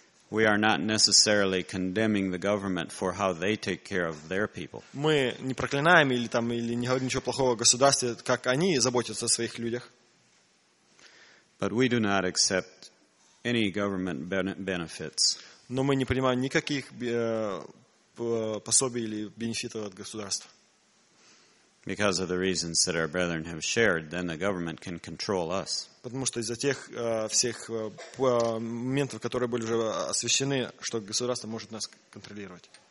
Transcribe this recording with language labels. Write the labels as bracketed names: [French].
[English] We are not necessarily condemning the government for how they take care of their people. [Russian] Мы не проклинаем или не говорим ничего плохого о государстве, как они заботятся о своих людях. [English] But we do not accept any government benefits. [Russian] Но мы не принимаем никаких пособий или бенефитов от государства. [English] Because of the reasons that our brethren have shared, then the government can control us. [Russian] Потому что из-за тех всех моментов, которые были уже освещены, что государство может нас контролировать.